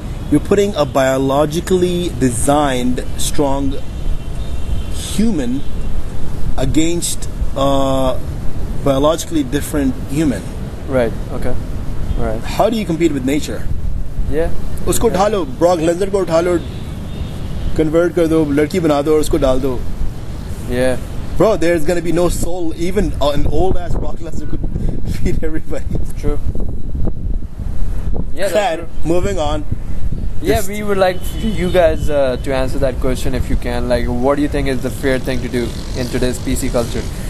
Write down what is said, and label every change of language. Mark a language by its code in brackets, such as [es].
[en] You're putting a biologically designed, strong human against a biologically different human. Right, okay. Right. How do you compete with nature? Yeah. [hi] उसको उठा लो, Brock Lesnar को उठा लो। Convert कर दो, लड़की बना दो और उसको डाल दो। [en] Yeah. Bro, there's gonna be no soul. Even an old ass Brock Lesnar could feed everybody. True. Yeah, that's true. Moving on. Yeah, we would like you guys to answer that question if you can. Like, what do you think is the fair thing to do in today's PC culture?